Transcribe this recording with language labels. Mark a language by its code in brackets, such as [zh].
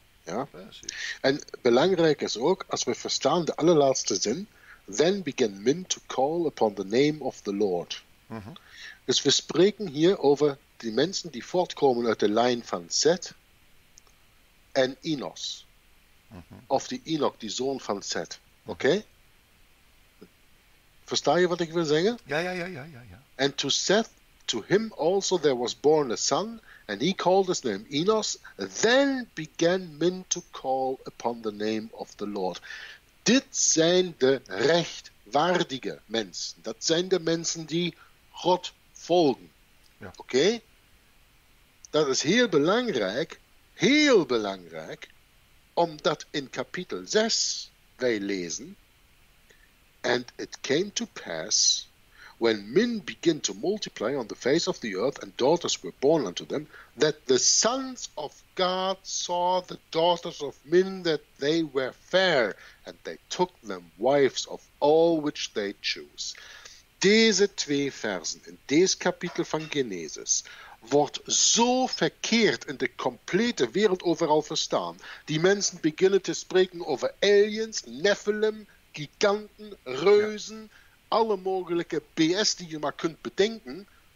[nl] Ja. En belangrijk is ook, als we verstaan de allerlaatste zin, [en] then begin men to call upon the name of the Lord. [nl] Mm-hmm. Dus we spreken hier over die mensen die voortkomen uit de lijn van Seth en Enos. Mm-hmm. Of die Enoch, die zoon van Seth. Oké? Okay? Versta je wat ik wil zeggen? Ja. [en] And to Seth, to him also there was born a son, and he called his name Enos, then began men to call upon the name of the Lord. [nl] Dit zijn de rechtwaardige mensen. Dat zijn de mensen die God volgen. Ja. Oké? Dat is heel belangrijk, heel belangrijk, omdat in kapitel 6 wij lezen, [en] and it came to pass, when men begin to multiply on the face of the earth and daughters were born unto them, that the sons of God saw the daughters of men that they were fair, and they took them wives of all which they choose. [nl] Deze twee versen in deze kapitel van Genesis wordt zo verkeerd in de complete wereld overal verstaan. Die mensen beginnen te spreken over aliens, Nephilim, giganten, reuzen, alle mogelijke BS die je maar kunt bedenken.